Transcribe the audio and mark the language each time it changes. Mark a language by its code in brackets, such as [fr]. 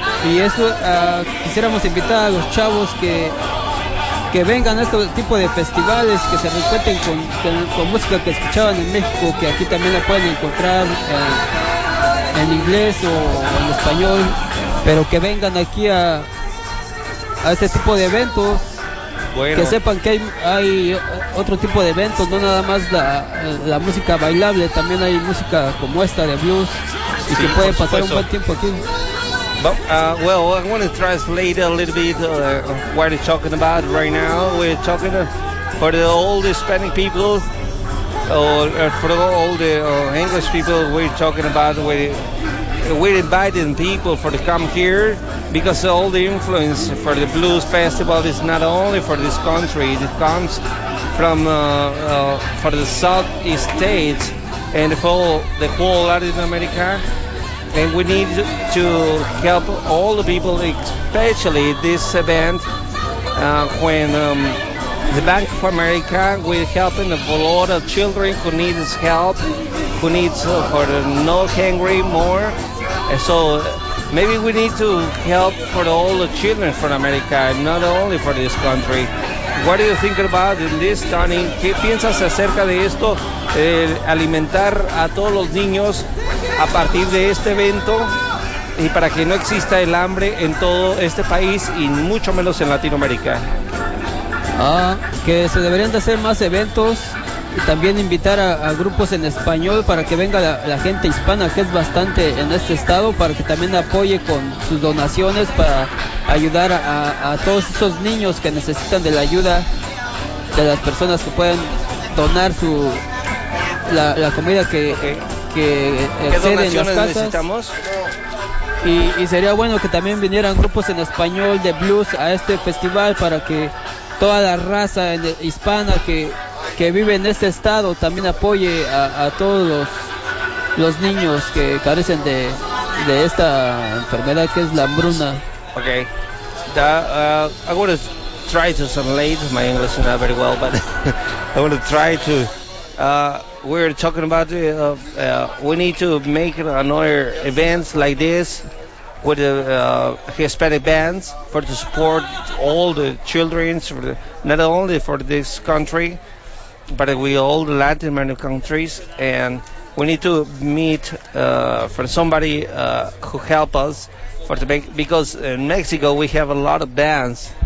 [es] Y eso, quisiéramos invitar a los chavos que vengan a este tipo de festivales, que se respeten con música que escuchaban en México, que aquí también la pueden encontrar en inglés o en español, pero que vengan aquí a este tipo de eventos. Bueno. Que sepan que hay otro tipo de eventos, no nada más la música bailable, también hay música como esta de blues, y que pueden pasar un buen tiempo aquí. [en] Well, I want to translate a little bit what we're talking about right now. We're talking for the old Hispanic people, or for all the English people. We're talking about we're inviting people for to come here, because all the influence for the blues festival is not only for this country. It comes from for the Southeast States and for the whole Latin America. And we need to help all the people, especially this event, when the Bank of America will help a lot of children who need help, who need for the not hungry more. And so maybe we need to help for all the children from America, not only for this country. What do you think about this, Tony? ¿Qué piensas acerca de esto? [es] Alimentar a todos los niños a partir de este evento, y para que no exista el hambre en todo este país y mucho menos en Latinoamérica. Ah, que se deberían de hacer más eventos, y también invitar a grupos en español para que venga la gente hispana, que es bastante en este estado, para que también apoye con sus donaciones para ayudar a todos esos niños que necesitan de la ayuda de las personas que pueden donar su la comida que okay. que exceden en las casas. Necesitamos. Y sería bueno que también vinieran grupos en español de blues a este festival, para que toda la raza hispana que vive en este estado también apoye a todos los niños que carecen de esta enfermedad que es la hambruna. [en] Okay. I want to try to translate. My English is not very well, but I want to try to we're talking about we need to make another events like this with the Hispanic bands for to support all the children, not only for this country, but we all the Latin American countries, and we need to meet for somebody who help us for to make, because in Mexico we have a lot of bands.